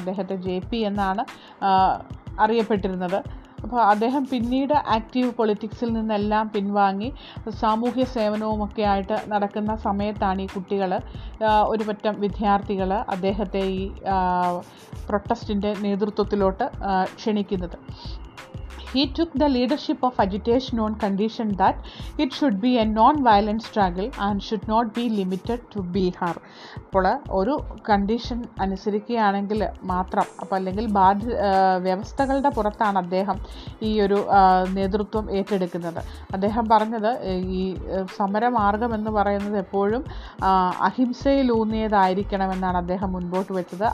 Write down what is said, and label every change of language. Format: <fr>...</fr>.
<ml>അദ്ദേഹത്തെ JP എന്നാണ് അറിയപ്പെട്ടിരുന്നത്. അപ്പോൾ അദ്ദേഹം പിന്നീട് ആക്റ്റീവ് പൊളിറ്റിക്സിൽ നിന്നെല്ലാം പിൻവാങ്ങി സാമൂഹ്യ സേവനവുമൊക്കെ ആയിട്ട് നടക്കുന്ന സമയത്താണ് ഈ കുട്ടികൾ, ഒരുപറ്റം വിദ്യാർത്ഥികൾ അദ്ദേഹത്തെ ഈ പ്രൊട്ടസ്റ്റിൻ്റെ നേതൃത്വത്തിലോട്ട് ക്ഷണിക്കുന്നത്.</ml> <en>He took the leadership of agitation on condition that it should be a non-violent struggle and should not be limited to Bihar.</en> <ml>അപ്പോൾ ഒരു കണ്ടീഷൻ അനുസരിക്കുകയാണെങ്കിൽ മാത്രം, അപ്പോൾ അല്ലെങ്കിൽ ബാധ്യ വ്യവസ്ഥകളുടെ പുറത്താണ് അദ്ദേഹം ഈ ഒരു നേതൃത്വം ഏറ്റെടുക്കുന്നത്. അദ്ദേഹം പറഞ്ഞത് ഈ സമരമാർഗം എന്ന് പറയുന്നത് എപ്പോഴും അഹിംസയിലൂന്നിയതായിരിക്കണമെന്നാണ് അദ്ദേഹം മുൻപോട്ട് വെച്ചത്.</ml>